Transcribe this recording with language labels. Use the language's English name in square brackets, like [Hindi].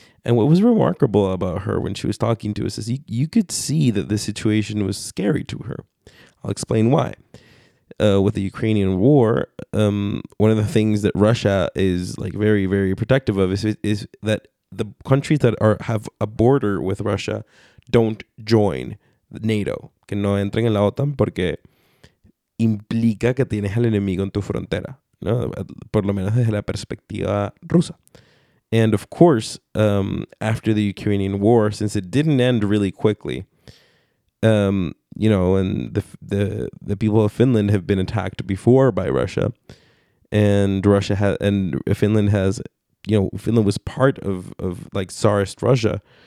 [English] And what was remarkable about her when she was talking to us is you could see that the situation was scary to her. I'll explain why. With the Ukrainian war, one of the things that Russia is like very, very protective of is that the countries that have a border with Russia don't join NATO. [Spanish] Que no entren en la OTAN porque implica que tienes al enemigo en tu frontera, ¿no? Por lo menos desde la perspectiva rusa. [English] And of course, after the Ukrainian war, since it didn't end really quickly, you know, and the people of Finland have been attacked before by Russia, and Russia has, and Finland has, you know, Finland was part of like Tsarist Russia.